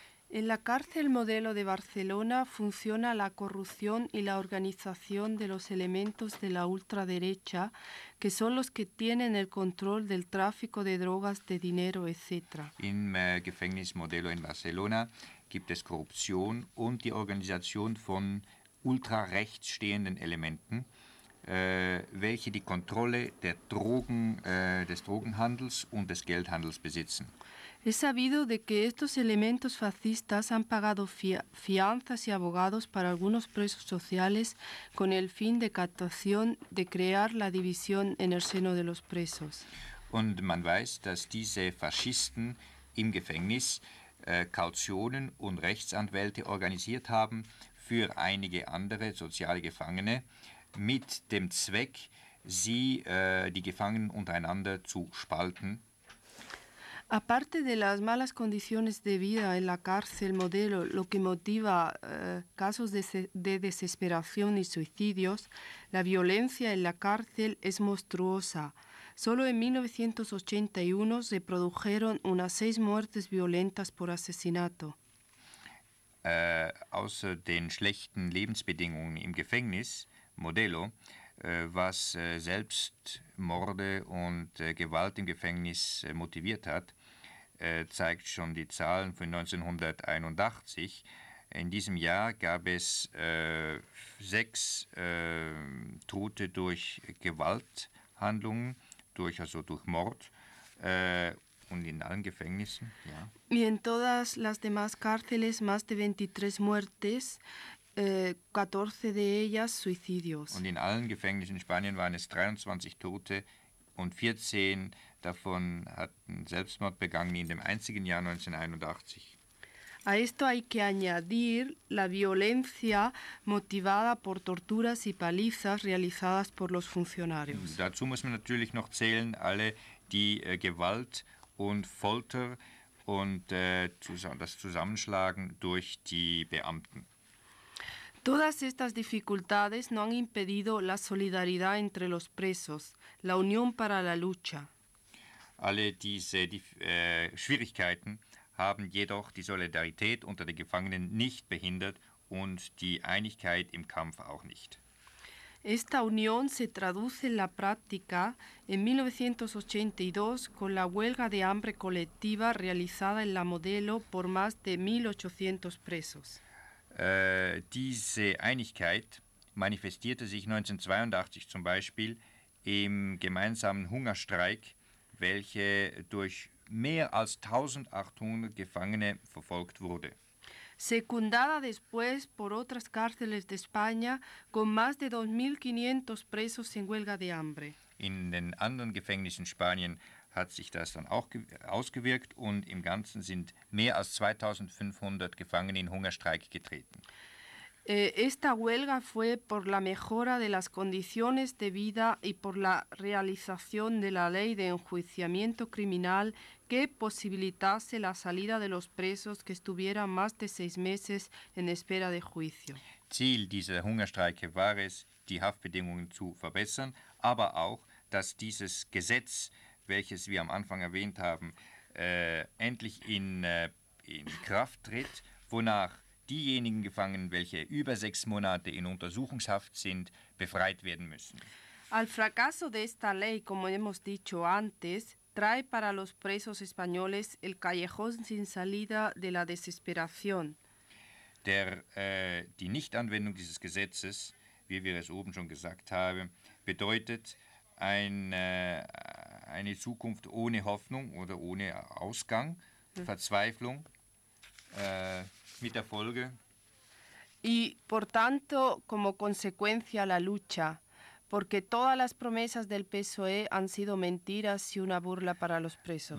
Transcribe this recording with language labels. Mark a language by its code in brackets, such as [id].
[es] En la cárcel modelo de Barcelona funciona la corrupción y la organización de los elementos de la ultraderecha, que son los que tienen el control del tráfico de drogas, de dinero, etc. En el [de] Gefängnis modelo en Barcelona gibt es Korruption und die Organisation von ultrarechts stehenden Elementen, welche die Kontrolle der Drogen, des Drogenhandels und des Geldhandels besitzen. [es] Es sabido de que estos elementos fascistas han pagado fianzas y abogados para algunos presos sociales con el fin de captación de crear la división en el seno de los presos. [de] Und man weiß, dass diese Faschisten im Gefängnis Kautionen und Rechtsanwälte organisiert haben für einige andere soziale Gefangene mit dem Zweck, sie die Gefangenen untereinander zu spalten. [es] Aparte de las malas condiciones de vida en la cárcel modelo, lo que motiva casos de desesperación y suicidios, la violencia en la cárcel es monstruosa. Solo en 1981 se produjeron unas 6 muertes violentas por asesinato. [de] Außer den schlechten Lebensbedingungen im Gefängnis modelo, was Selbstmorde und Gewalt im Gefängnis motiviert hat, zeigt schon die Zahlen von 1981. In diesem Jahr gab es 6 Tote durch Gewalthandlungen, durch Mord und in allen Gefängnissen. Ja. [es] Y en todas las demás cárceles más de 23 muertes, 14 de ellas suicidios. [de] Und in allen Gefängnissen in Spanien waren es 23 Tote und 14 davon hatten Selbstmord begangen in dem einzigen Jahr 1981. [es] A esto hay que añadir la violencia motivada por torturas y palizas realizadas por los funcionarios. [de] Dazu muss man natürlich noch zählen alle die Gewalt und Folter und das Zusammenschlagen durch die Beamten. [es] Todas estas dificultades no han impedido la solidaridad entre los presos, la unión para la lucha. [de] Alle diese Schwierigkeiten haben jedoch die Solidarität unter den Gefangenen nicht behindert und die Einigkeit im Kampf auch nicht. [es] Esta unión se traduce en la práctica en 1982 con la huelga de hambre colectiva realizada en la Modelo por más de 1.800 presos. [de] Diese Einigkeit manifestierte sich 1982 zum Beispiel im gemeinsamen Hungerstreik, welche durch mehr als 1.800 Gefangene verfolgt wurde. [es] Secundada después por otras cárceles de España con más de 2.500 presos en huelga de hambre. [de] In den anderen Gefängnissen Spanien hat sich das dann auch ausgewirkt und im Ganzen sind mehr als 2.500 Gefangene in Hungerstreik getreten. [es] Esta huelga fue por la mejora de las condiciones de vida y por la realización de la ley de enjuiciamiento criminal que posibilitase la salida de los presos que estuvieran más de 6 meses en espera de juicio. [de] Ziel dieser Hungerstreike war es, die Haftbedingungen zu verbessern, aber auch, dass dieses Gesetz, welches wir am Anfang erwähnt haben, endlich in Kraft tritt, wonach diejenigen Gefangenen, welche über 6 Monate in Untersuchungshaft sind, befreit werden müssen. [es] Al fracaso de esta ley, como hemos dicho antes, trae para los presos españoles el callejón sin salida de la desesperación. [de] Die Nichtanwendung dieses Gesetzes, wie wir es oben schon gesagt haben, bedeutet eine Zukunft ohne Hoffnung oder ohne Ausgang, Verzweiflung, mit der Folge. [es] Y por tanto, como consecuencia, la lucha, porque todas las promesas del PSOE han sido mentiras y una burla para los presos.